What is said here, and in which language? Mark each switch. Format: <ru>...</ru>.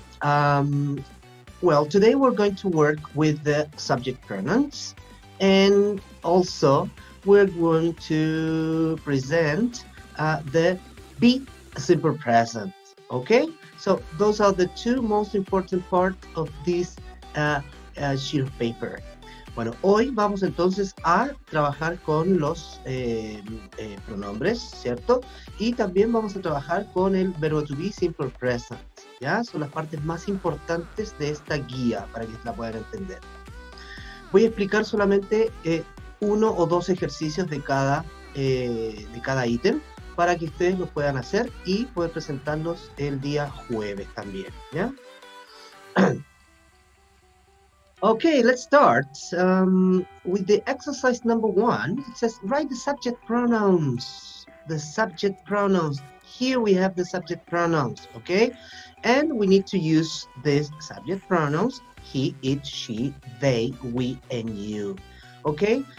<en>Well, today we're going to work with the subject pronouns, and also we're going to present the be simple present, okay? So those are the two most important parts of this sheet of paper.</en> <es>Bueno, hoy vamos entonces a trabajar con los pronombres, ¿cierto? Y también vamos a trabajar con el verbo to be simple present. ¿Ya? Son las partes más importantes de esta guía para que la puedan entender. Voy a explicar solamente uno o dos ejercicios de cada ítem para que ustedes lo puedan hacer y poder presentarlos el día jueves también. ¿Ya?</es> <en>Okay, let's start with the exercise number one. It says write the subject pronouns. The subject pronouns. Here we have the subject pronouns, okay? And we need to use these subject pronouns, he, it, she, they, we, and you, okay?</en>